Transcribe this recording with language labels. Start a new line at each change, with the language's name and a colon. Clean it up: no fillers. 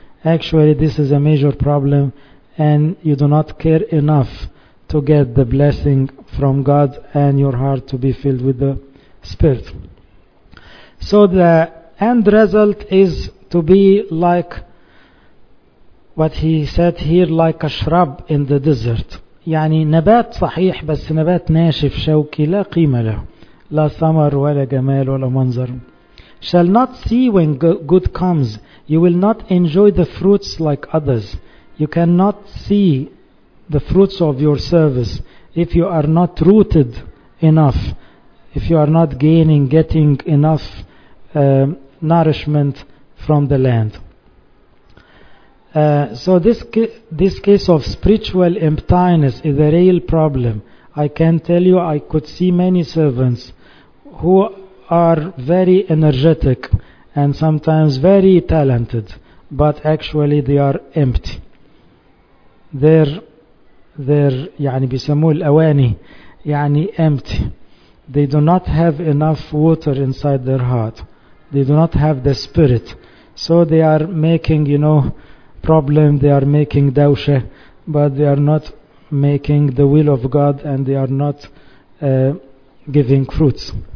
English: Actually, this is a major problem, and you do not care enough to get the blessing from God and your heart to be filled with the Spirit. So the end result is to be like what he said here, like a shrub in the desert.
Arabic: يعني نبات صحيح بس نبات ناشف شوكي لا قيمة له، لا ثمر ولا جمال ولا منظر.
English: Shall not see when good comes. You will not enjoy the fruits like others. You cannot see the fruits of your service if you are not rooted enough, if you are not getting enough nourishment from the land. So this case of spiritual emptiness is a real problem. I can tell you, I could see many servants who are very energetic and sometimes very talented, but actually they are empty. They're
Arabic: يعني بيسموه الأواني يعني
English: empty. They do not have enough water inside their heart. They do not have the Spirit. So they are making, you know, problem, they are making dawsha, but they are not making the will of God, and they are not giving fruits.